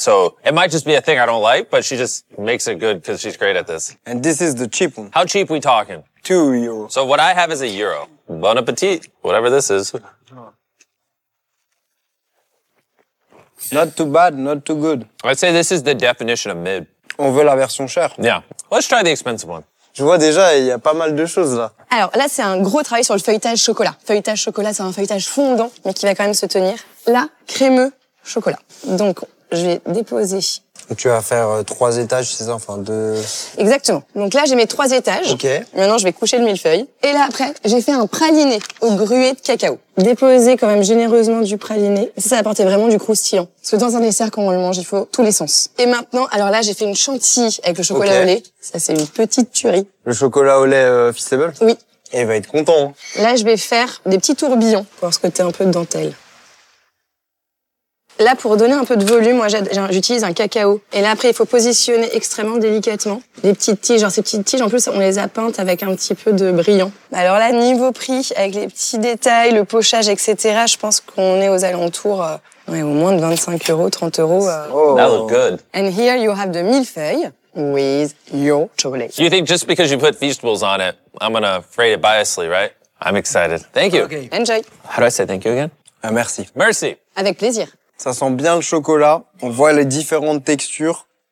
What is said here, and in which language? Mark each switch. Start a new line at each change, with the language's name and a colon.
English: So it might just be a thing I don't like, but she just makes it good because she's great at this. And this is the cheap one. How cheap are we talking? €2. So what I have is a euro. Bon appetit, whatever this is. Not too bad, not too good. I'd say this is the definition of mid.
French: On veut la version chère.
English: Yeah. Let's try the expensive one.
French: Je vois déjà, il y a pas mal de choses là. Alors là, c'est un gros travail sur le feuilletage chocolat. Feuilletage chocolat, c'est un feuilletage fondant, mais qui va quand même se tenir. Là, crémeux chocolat. Donc, je vais déposer. Tu vas faire trois étages, c'est ça, enfin deux... Exactement. Donc là, j'ai mes trois étages. Ok. Maintenant, je vais coucher le millefeuille. Et là, après, j'ai fait un praliné au gruet de cacao. Déposer quand même généreusement du praliné. Ça, ça apportait vraiment du croustillant. Parce que dans un dessert, quand on le mange, il faut tous les sens. Et maintenant, alors là, j'ai fait une chantilly avec le chocolat au lait. Ça, c'est une petite tuerie. Le chocolat au lait Feastable ? Oui. Et il va être content. Là, je vais faire des petits tourbillons pour ce côté un peu de dentelle. Là, pour donner un peu de volume, moi, j'utilise un cacao. Et là, après, il faut positionner extrêmement délicatement les petites tiges. Genre, ces petites tiges, en plus, on les a peintes avec un petit peu de brillant. Alors là, niveau prix, avec les petits détails, le pochage, etc., je pense qu'on est aux alentours, ouais, au moins de 25 euros, 30 euros.
English: That looks good. And here, you have the millefeuille with your chocolate. You think just because you put vegetables on it, I'm gonna fray it biasly, right? I'm excited. Thank you. Okay. Enjoy. How do I say thank you again?
French: Merci. Merci. Avec plaisir. Ça sent bien le chocolat. On voit les différentes textures.